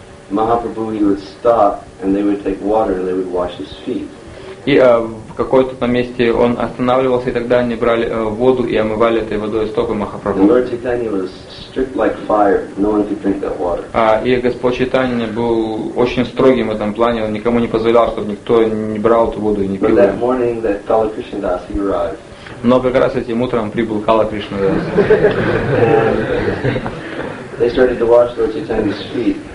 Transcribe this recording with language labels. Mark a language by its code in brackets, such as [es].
[en] Mahaprabhu, he would stop, and they would take water, and they would wash his feet. [ru] И в какой-то на месте он останавливался, и тогда они брали воду и омывали этой водой стопы Махапрабху. [en] The Lord Chaitanya was strict like fire; no one could drink that water. [ru] И Господь Чайтанья был очень строгим в этом плане; он никому не позволял, чтобы никто не брал эту воду и не пил. [en] But that morning, that Kala Krishnadas arrived. [ru] Но как раз этим утром прибыл Кала Кришнадас. [en] They started to wash Lord Chaitanya's feet.